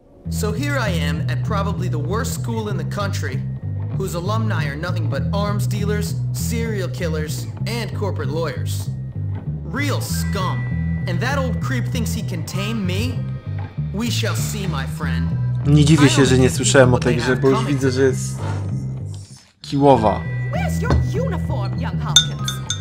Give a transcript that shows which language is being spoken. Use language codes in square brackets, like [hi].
[en] So here I am at probably the worst school in the country, whose alumni are nothing but arms dealers, serial killers, and corporate lawyers. Real scum. And that old creep thinks he can tame me? We shall see, my friend. [pl] Nie dziwię się, że nie słyszałem o tej grze, bo już widzę, że jest kiłowa. [en] Where's your uniform, young Hopkins?